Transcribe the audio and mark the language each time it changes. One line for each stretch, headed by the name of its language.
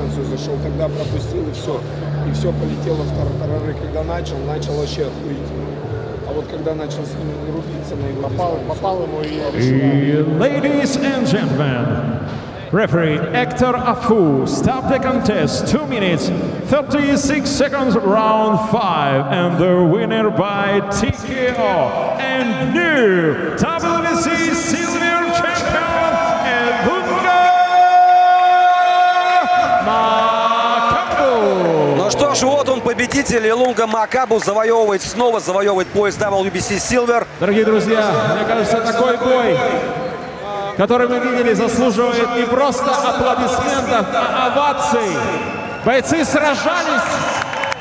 Russian: Зашел, когда пропустил, и все полетело в тарары. Когда начал вообще охуительно. А вот когда начал с ним рубиться, на его попал ему, и я решил.
English: Ladies and gentlemen, referee Hector Afu, stop the contest, 2 minutes, 36 seconds, round 5, and the winner by TKO, and new WBC Silver Champion, Lunga Макабу.
Russian: Ну что ж, вот он, победитель, Лунга Макабу завоевывает пояс WBC Silver. Дорогие друзья, мне кажется, такой бой, который мы видели, заслуживает не просто аплодисментов, а оваций. Бойцы сражались.